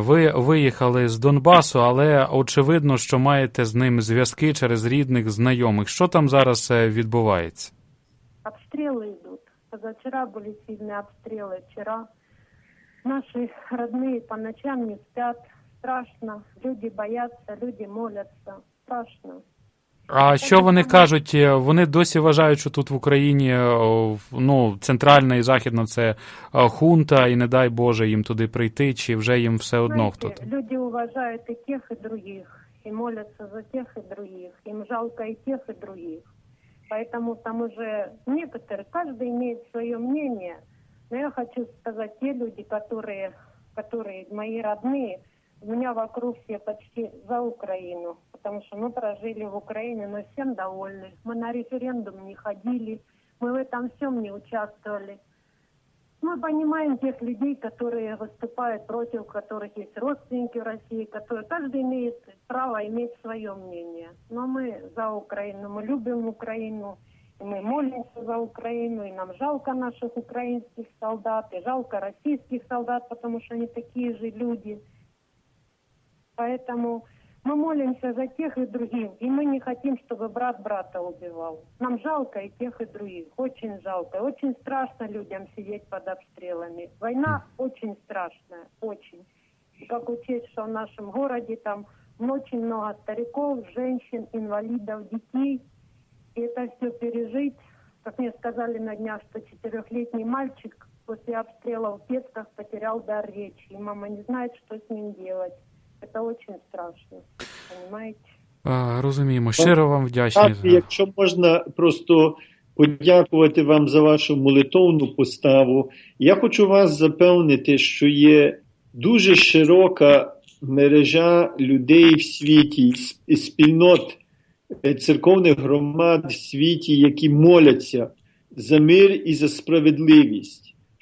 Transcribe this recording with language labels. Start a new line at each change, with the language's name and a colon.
Ukrainian: Ви виїхали з Донбасу, але очевидно, що маєте з ним зв'язки через рідних, знайомих. Що там зараз відбувається? Обстріли йдуть. Позавчора були сильні обстріли. Вчора наші рідні по ночам не сплять. Страшно. Люди бояться, люди моляться. Страшно. А що вони кажуть? Вони досі вважають, що тут в Україні, ну, центральна і західна – це хунта, і не дай Боже їм туди прийти, чи вже їм все одно хто там? Люди вважають і тих, і других, і моляться за тих, і других, їм жалко і тих, і других. Тому там вже некотор, кожен має своє мнення, але я хочу сказати, ті люди, які мої рідні,
Russian: у меня вокруг все почти за Украину, потому что мы прожили в Украине, но всем довольны. Мы на референдум не ходили, мы в этом всем не участвовали. Мы понимаем тех людей, которые выступают против, у которых есть родственники в России, которые каждый имеет право иметь свое мнение. Но мы за Украину, мы любим Украину, и мы молимся за Украину, и нам жалко наших украинских солдат, и жалко российских солдат, потому что они такие же люди. Поэтому мы молимся за тех и других, и мы не хотим, чтобы брат брата убивал. Нам жалко и тех, и других, очень жалко. Очень страшно людям сидеть под обстрелами. Война очень страшная, очень. И как учесть, что в нашем городе там очень много стариков, женщин, инвалидов, детей. И это все пережить. Как мне сказали на днях, что 4-летний мальчик после обстрела в детках потерял дар речи, и мама не знает, что с ним делать.
Ukrainian: Це дуже страшно, розумієте? Розуміємо. Щиро вам вдячний. Так, якщо можна просто подякувати вам за вашу молитовну поставу. Я хочу вас запевнити, що є дуже широка мережа людей в світі, спільнот церковних громад в світі, які моляться за мир і за справедливість.